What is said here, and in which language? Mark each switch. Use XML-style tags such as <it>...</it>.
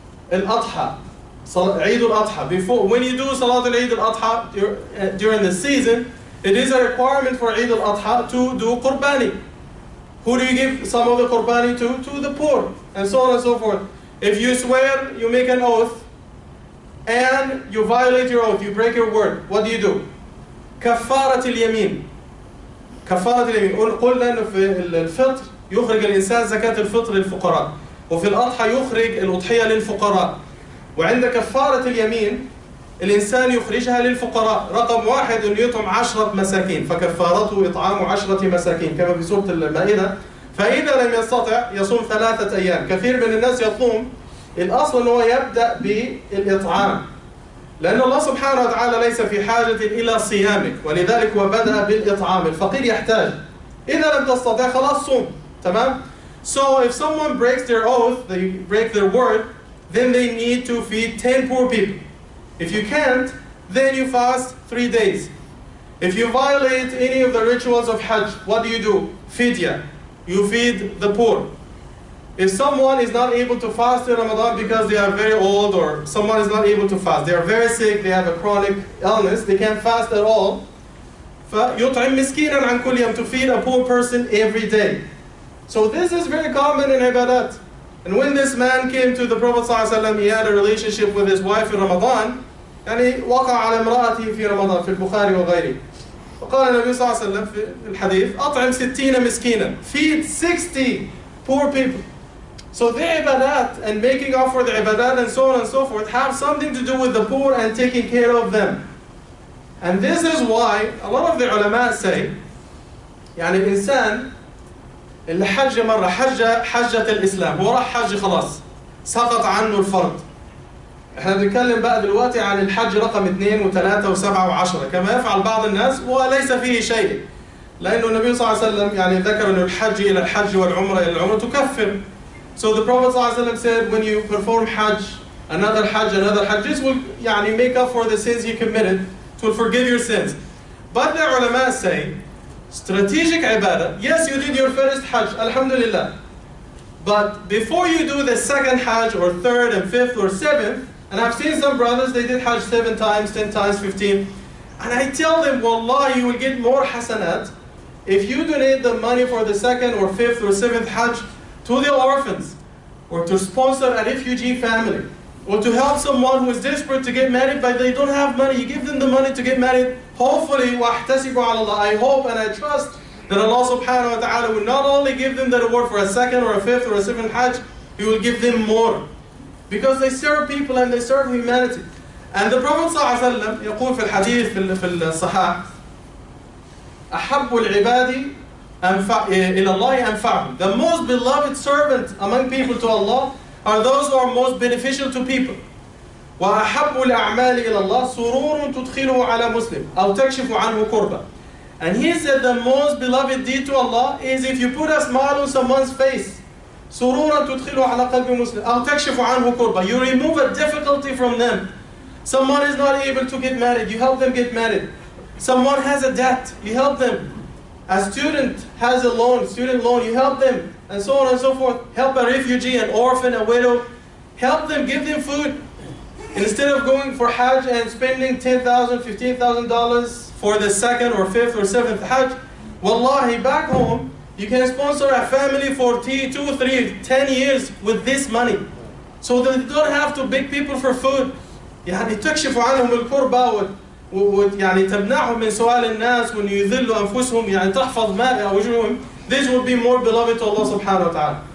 <en>Al-Adha, Eid al-Adha. Before, when you do Salat al-Eid al-Adha during the season, it is a requirement for Eid al-Adha to do qurbani. Who do you give some of the qurbani to? To the poor, and so on and so forth. If you swear, you make an oath, and you violate your oath, you break your word, what do you do?</en> <ar>كفارت اليمين. كفارت اليمين. قلنا أنه في الفطر يخرج الإنسان زكاة الفطر للفقراء. وفي الأضحى يخرج الأضحية للفقراء. وعند كفارة اليمين الإنسان يخرجها للفقراء. رقم واحد أن يطعم 10 مساكين. فكفارته إطعام 10 مساكين كما في سورة المائدة. فإذا لم يستطع يصوم 3 أيام. كثير من الناس يصوم. الأصل هو يبدأ بالإطعام. لأن الله سبحانه وتعالى ليس في حاجة إلى صيامك. ولذلك وبدأ بالإطعام. الفقير يحتاج. إذا لم تستطع خلاص صوم. تمام؟</ar> <en>So if someone breaks their oath, they break their word, then they need to feed 10 poor people. If you can't, then you fast 3 days. If you violate any of the rituals of Hajj, what do you do? Fidya. You feed the poor. If someone is not able to fast in Ramadan because they are very old, or someone is not able to fast, they are very sick, they have a chronic illness, they can't fast at all,</en> <ar>فَيُطْعِمْ مِسْكِينًا عَنْ كُلْ يَمْ,</ar> <en>to feed a poor person every day. So this is very common in ibadat. And when this man came to the Prophet صلى الله عليه وسلم, he had a relationship with his wife in Ramadan.</en> <ar>يعني وقع على امرأته في رمضان في البخاري وغيره. وقال النبي صلى الله عليه وسلم في الحديث أطعم 60 مسكينا.</ar> <en>Feed 60 poor people. So the ibadat and making up for the ibadat and so on and so forth have something to do with the poor and taking care of them. And this is why a lot of the ulama say,</en> <ar>يعني الإنسان اللي حج مرة حجة الإسلام وراح حج خلاص سقط عنه الفرض احنا بنتكلم بقى دلوقتي عن الحج رقم 2 و3 و7 و10 كما يفعل بعض الناس وليس فيه شيء، لانه النبي صلى الله عليه وسلم يعني ذكر انه الحج الى الحج والعمره الى العمره تكفر.</ar> <en>So the Prophet صلى الله عليه وسلم said when you perform hajj another hajj this will يعني make up for the sins you committed, it will forgive your sins. But the ulama say strategic ibadah, yes you did your first hajj alhamdulillah, but before you do the second hajj or third and fifth or seventh, and I've seen some brothers, they did hajj 7 times, 10 times, 15, and I tell them, wallahi, you will get more hasanat if you donate the money for the second or fifth or seventh hajj to the orphans, or to sponsor a refugee family, or to help someone who is desperate to get married but they don't have money. You give them the money to get married, hopefully,</en> <ar>wahtasibu ala Allah,</ar> <en>I hope and I trust that Allah subhanahu wa ta'ala will not only give them the reward for a second or a fifth or a seventh hajj, He will give them more. Because they serve people and they serve humanity. And the Prophet</en> <ar>صلى الله عليه وسلم يقول في الحديث في الصحاح أحب العباد إلى الله أنفعهم.</ar> <en>The most beloved servant among people to Allah are those who are most beneficial to people.</en> <ar>وأحب الأعمال إلى الله سرور تدخله على مسلم أو تكشف عنه كربة.</ar> <en>And he said the most beloved deed to Allah is if you put a smile on someone's face,</en> <ar>سُرُورًا تُدْخِلُوا عَلَى قَلْبِ مُسْلِمٍ أَوْ تَكْشِفُ عَنْهُ كُرْبًا.</ar> <en>You remove a difficulty from them. Someone is not able to get married, you help them get married. Someone has a debt, you help them. A student has a loan, student loan, you help them. And so on and so forth. Help a refugee, an orphan, a widow. Help them, give them food. Instead of going for hajj and spending $10,000, $15,000 for the second or fifth or seventh hajj, wallahi, back home, you can sponsor a family for 2, 3, 10 years with this money. So they don't have to beg people for food.</en> <ar>يعني تكشف عنهم الكربة يعني تمنعهم من سؤال الناس وأن يذلوا أنفسهم يعني تحفظ ما وجوههم.</ar> <en>This would be more beloved to Allah subhanahu wa ta'ala.</en>